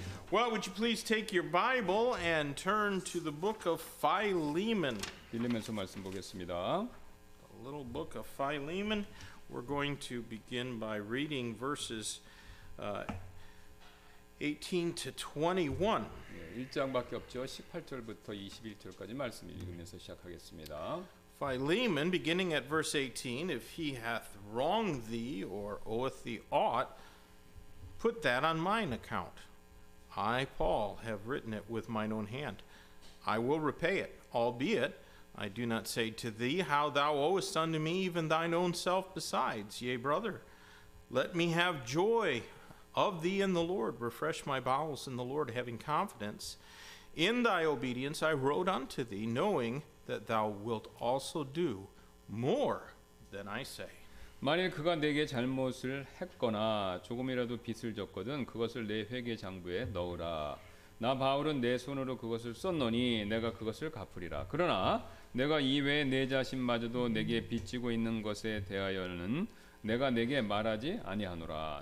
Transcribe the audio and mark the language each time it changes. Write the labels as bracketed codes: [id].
[en] Well, would you please take your Bible and turn to the book of Philemon. [ko] 빌레몬서 말씀 보겠습니다. [en] The little book of Philemon. We're going to begin by reading verses 18 to 21. [ko] 1장밖에 없죠. 18절부터 21절까지 말씀 읽으면서 시작하겠습니다. [en] Philemon, beginning at verse 18, if he hath wronged thee or oweth thee aught, put that on mine account. I, Paul, have written it with mine own hand. I will repay it, albeit I do not say to thee how thou owest unto me even thine own self besides. Yea, brother, let me have joy of thee in the Lord. Refresh my bowels in the Lord, having confidence. In thy obedience I wrote unto thee, knowing that thou wilt also do more than I say. [ko] 만일 그가 내게 잘못을 했거나 조금이라도 빚을 졌거든 그것을 내 회계 장부에 넣으라. 나 바울은 내 손으로 그것을 썼노니 내가 그것을 갚으리라. 그러나 내가 이외에 내 자신마저도 내게 빚지고 있는 것에 대하여는 내가 내게 말하지 아니하노라.